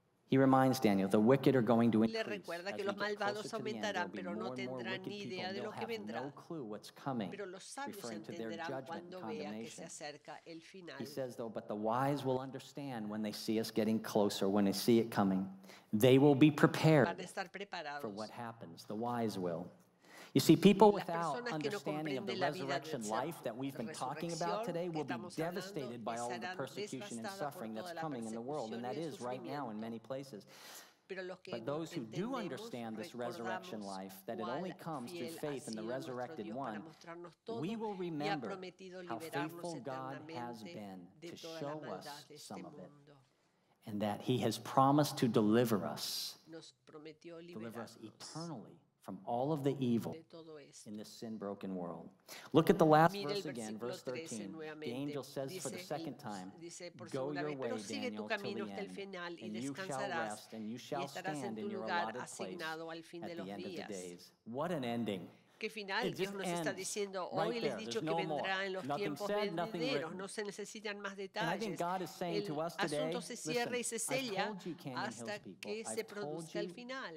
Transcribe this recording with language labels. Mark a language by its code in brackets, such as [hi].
[en] He reminds Daniel, the wicked are going to increase. [es] Le recuerda que los malvados aumentarán, pero no tendrán ni idea de lo que vendrá. [en] No clue what's coming, [es] pero los sabios entenderán cuando vea que se acerca el final. [en] He says, though, but the wise will understand when they see us getting closer, when they see it coming. They will be prepared for what happens. The wise will. You see, people without understanding of the resurrection life that we've been talking about today will be devastated by all the persecution and suffering that's coming in the world, and that is right now in many places. But those who do understand this resurrection life, that it only comes through faith in the resurrected one, we will remember how faithful God has been to show us some of it, and that he has promised to deliver us eternally from all of the evil in this sin-broken world. Look at the last verse again, verse 13. The angel says for the second time, go your way, Daniel, to the end, and you shall rest, and you shall stand in your allotted place at the end of the days. What an ending. [es] Que final Dios nos está diciendo, hoy les he dicho que vendrá en los tiempos venideros, no se necesitan más detalles. El asunto se cierra y se sella hasta que se produzca el final.